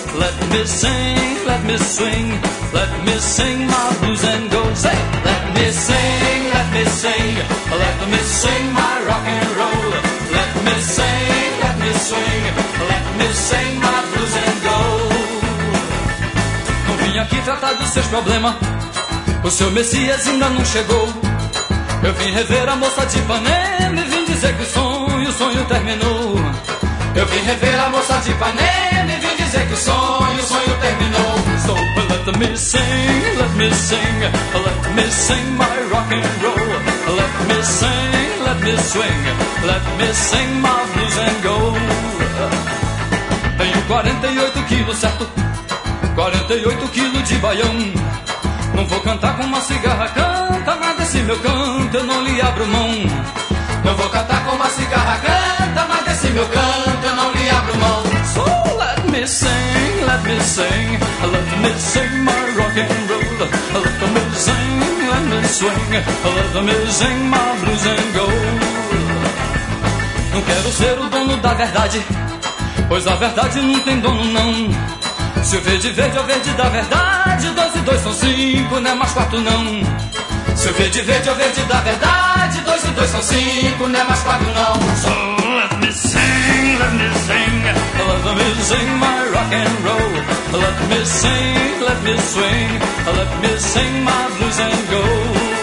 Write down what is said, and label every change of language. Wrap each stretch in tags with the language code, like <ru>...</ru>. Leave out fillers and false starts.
<en>Let me sing, let me swing, let me sing my blues and gold. Say, let me sing, let me sing, let me sing my rock and roll. Let me sing, let me swing, let me sing my blues and gold.</en> <pt>Não vim aqui tratar dos seus problemas, o seu Messias ainda não chegou. Eu vim rever a moça de Ipanema e vim dizer que o sonho terminou. Eu vim rever a moça de Ipanema e vim dizer que o sonho terminou.</pt> <en>So let me sing, let me sing my rock and roll. Let me sing, let me swing, let me sing my blues and gold.</en> <pt>Tenho 48 quilos, certo? 48 quilos de baião. Não vou cantar com uma cigarra, canta, mas desse meu canto eu não lhe abro mão. Não vou cantar com uma cigarra, canta, mas desse meu canto eu não lhe abro mão.</pt> <en>So let me sing, let me sing, let me sing my rock and roll. Let me sing, let me swing, let me sing my blues and gold.</en> <pt>Não quero ser o dono da verdade, pois a verdade não tem dono não. Se o verde verde é o verde da verdade, 2 e 2 são 5, não é mais 4 não. Se o verde verde é o verde da verdade, 2 e 2 são 5, não é mais 4 não.</pt> <en>So let me sing, let me sing, let me sing my rock and roll. Let me sing, let me swing, let me sing my blues and gold.</en>